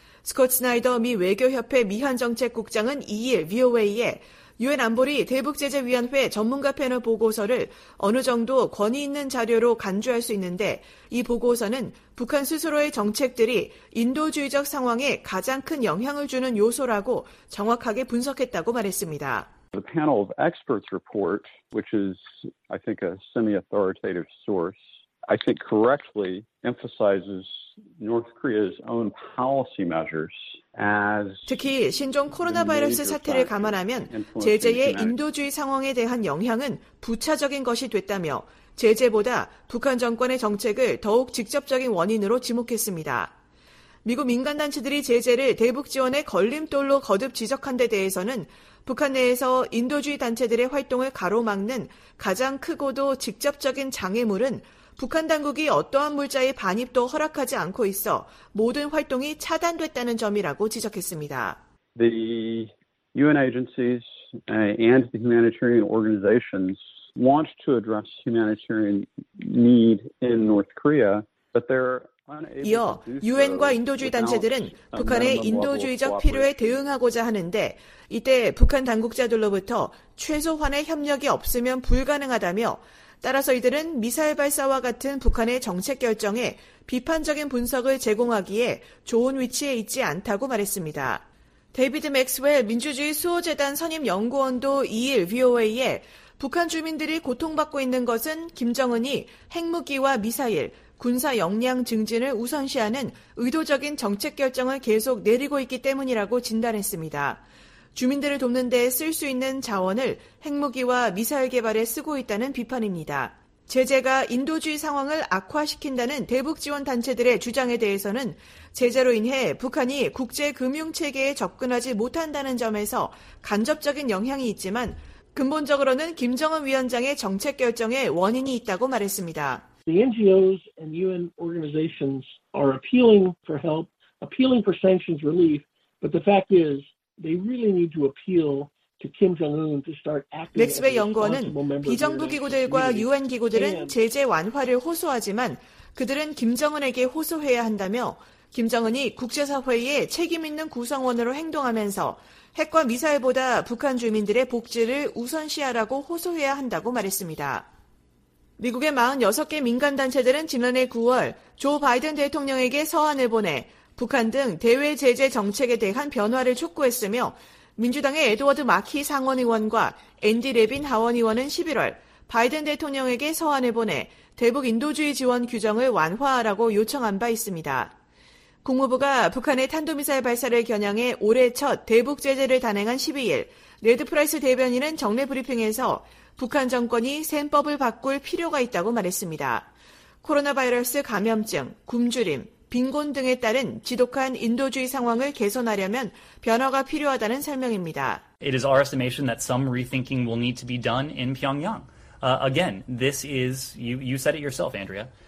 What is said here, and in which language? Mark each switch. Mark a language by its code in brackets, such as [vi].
[ko] 스콧 스나이더 미 외교협회 미한정책국장은 2일 VOA에 유엔 안보리 대북제재위원회 전문가 패널 보고서를 어느 정도 권위 있는 자료로 간주할 수 있는데 이 보고서는 북한 스스로의 정책들이 인도주의적 상황에 가장 큰 영향을 주는 요소라고 정확하게 분석했다고 말했습니다. [en] The panel of experts report, which is, I think, a semi-authoritative source, I think correctly emphasizes North Korea's own policy measures. [ko] 특히 신종 코로나 바이러스 사태를 감안하면 제재의 인도주의 상황에 대한 영향은 부차적인 것이 됐다며 제재보다 북한 정권의 정책을 더욱 직접적인 원인으로 지목했습니다. 미국 민간단체들이 제재를 대북 지원의 걸림돌로 거듭 지적한 데 대해서는 북한 내에서 인도주의 단체들의 활동을 가로막는 가장 크고도 직접적인 장애물은 북한 당국이 어떠한 물자의 반입도 허락하지 않고 있어 모든 활동이 차단됐다는 점이라고 지적했습니다. [en] The UN agencies and the humanitarian organizations want to address humanitarian need in North Korea, but they're [ko] 이어 유엔과 인도주의 단체들은 북한의 인도주의적 필요에 대응하고자 하는데 이때 북한 당국자들로부터 최소한의 협력이 없으면 불가능하다며 따라서 이들은 미사일 발사와 같은 북한의 정책 결정에 비판적인 분석을 제공하기에 좋은 위치에 있지 않다고 말했습니다. 데이비드 맥스웰 민주주의 수호재단 선임 연구원도 2일 VOA에 북한 주민들이 고통받고 있는 것은 김정은이 핵무기와 미사일, 군사 역량 증진을 우선시하는 의도적인 정책 결정을 계속 내리고 있기 때문이라고 진단했습니다. 주민들을 돕는 데 쓸 수 있는 자원을 핵무기와 미사일 개발에 쓰고 있다는 비판입니다. 제재가 인도주의 상황을 악화시킨다는 대북 지원 단체들의 주장에 대해서는 제재로 인해 북한이 국제 금융 체계에 접근하지 못한다는 점에서 간접적인 영향이 있지만 근본적으로는 김정은 위원장의 정책 결정에 원인이 있다고 말했습니다. [en] The NGOs and UN organizations are appealing for help, appealing for sanctions relief, but the fact is they really need to appeal [ko] 맥스베 연구원은 비정부 기구들과 유엔 기구들은 제재 완화를 호소하지만 그들은 김정은에게 호소해야 한다며 김정은이 국제사회의 책임 있는 구성원으로 행동하면서 핵과 미사일보다 북한 주민들의 복지를 우선시하라고 호소해야 한다고 말했습니다. 미국의 46개 민간단체들은 지난해 9월 조 바이든 대통령에게 서한을 보내 북한 등 대외 제재 정책에 대한 변화를 촉구했으며 민주당의 에드워드 마키 상원의원과 앤디 레빈 하원의원은 11월 바이든 대통령에게 서한을 보내 대북 인도주의 지원 규정을 완화하라고 요청한 바 있습니다. 국무부가 북한의 탄도미사일 발사를 겨냥해 올해 첫 대북 제재를 단행한 12일 레드 프라이스 대변인은 정례 브리핑에서 북한 정권이 셈법을 바꿀 필요가 있다고 말했습니다. 코로나 바이러스 감염증, 굶주림, 빈곤 등에 따른 지독한 인도주의 상황을 개선하려면 변화가 필요하다는 설명입니다. [en] It is our estimation that some rethinking will need to be done in Pyongyang. Again, this is you said it yourself, Andrea.